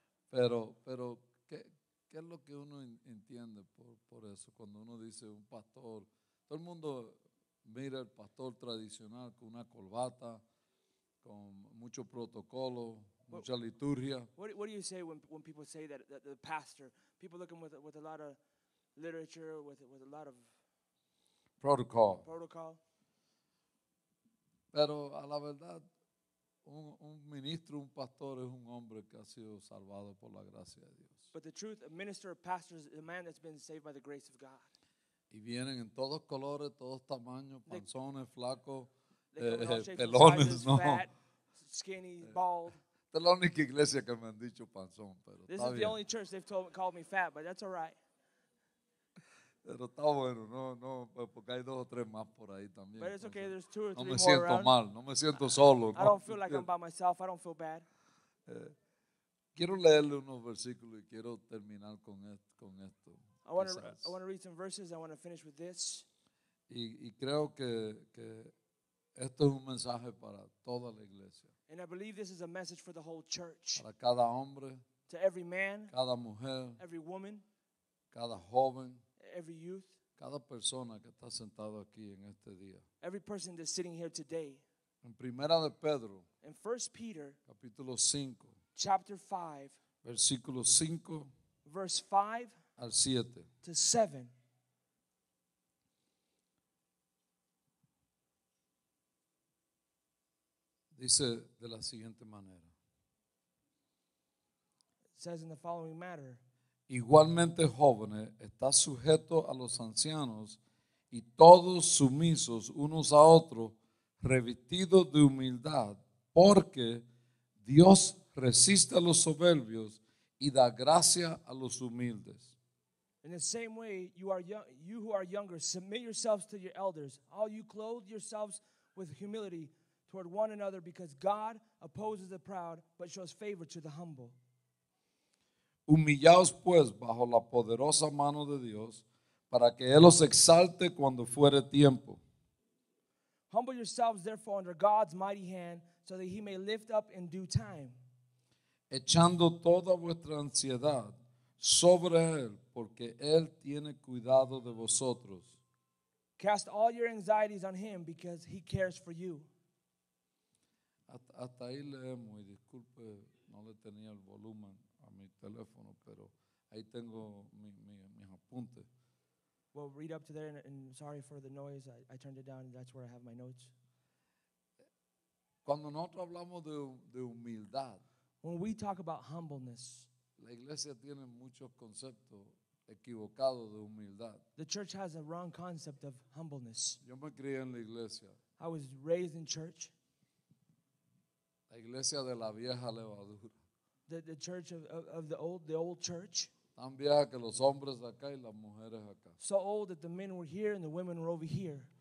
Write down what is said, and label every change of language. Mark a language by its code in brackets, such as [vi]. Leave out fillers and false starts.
[es] Pero qué es lo que uno entiende por eso cuando uno dice un pastor. Todo el mundo mira el pastor tradicional con una corbata, con mucho protocolo. Mucha liturgia. [en] What do you say when people say that the pastor? People look at him with a lot of literature, with a lot of protocol. [es] Pero a la verdad, un ministro, un pastor es un hombre que ha sido salvado por la gracia de Dios. [en] But the truth, a minister, a pastor is a man that's been saved by the grace of God. [es] Y vienen en todos colores, todos tamaños, panzones, flacos, pelones, [en] sizes, [es] no. [en] Fat, skinny, bald. [es] Es la única iglesia que me han dicho panzón, pero [en] this is the [es] bien. [en] Only church they've called me fat, but that's all right. [es] Pero está bueno, no, porque hay dos o tres más por ahí también. [en] But it's okay, there's two or three more around. [es] No me siento mal, no me siento solo. [en] I don't feel like I'm by myself, I don't feel bad. [es] Quiero leerle unos versículos y quiero terminar con esto. [en] I want to read some verses, I want to finish with this. [es] Y creo que esto es un mensaje para toda la iglesia. [en] And I believe this is a message for the whole church. [es] Para cada hombre, [en] to every man, [es] cada mujer, [en] every woman, [es] cada joven, [en] every youth, [es] cada persona que está sentado aquí en este día. [en] Every person that's sitting here today. [es] En Primera de Pedro, [en] in First Peter, [es] capítulo 5, [en] chapter 5, [es] versículo 5, [en] verse 5 [es] al 7, [en] to 7. [es] Dice Dice de la siguiente manera. [en] It says in the following matter. [es] Igualmente jóvenes, está sujeto a los ancianos y todos sumisos unos a otros, revestidos de humildad, porque Dios resiste a los soberbios y da gracia a los humildes. [en] In the same way, you are young, you who are younger, submit yourselves to your elders. All you, clothe yourselves with humility toward one another, because God opposes the proud, but shows favor to the humble. [es] Humillaos pues bajo la poderosa mano de Dios, para que Él os exalte cuando fuere tiempo. [en] Humble yourselves therefore under God's mighty hand, so that He may lift up in due time. [es] Echando toda vuestra ansiedad sobre Él, porque Él tiene cuidado de vosotros. [en] Cast all your anxieties on Him, because He cares for you. [es] Hasta ahí leemos, y disculpe, no le tenía el volumen a mi teléfono, pero ahí tengo mis apuntes. [en] We'll read up to there, and sorry for the noise. I turned it down. That's where I have my notes. [es] Cuando nosotros hablamos de humildad, [en] when we talk about humbleness, [es] la iglesia tiene muchos conceptos equivocados de humildad. [en] The church has a wrong concept of humbleness. [es] Yo me crié en la iglesia. [en] I was raised in church. [es] La iglesia de la vieja levadura. [en] The church of the old church. [es] Tan vieja que los hombres acá y las mujeres acá. So old that the men were here and the women were over here.